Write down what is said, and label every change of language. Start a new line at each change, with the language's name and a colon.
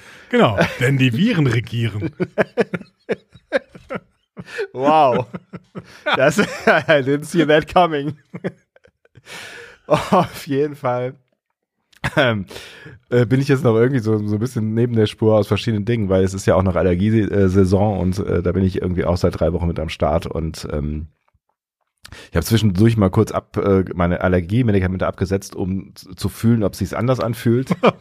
German: Genau, denn die Viren regieren.
English: Wow,
German: das,
English: I didn't see that coming.
German: Auf jeden Fall bin ich jetzt noch irgendwie so ein bisschen neben der Spur aus verschiedenen Dingen, weil es ist ja auch noch Allergiesaison und da bin ich irgendwie auch seit 3 Wochen mit am Start und ich habe zwischendurch mal kurz meine Allergiemedikamente abgesetzt, um zu fühlen, ob sich's anders anfühlt.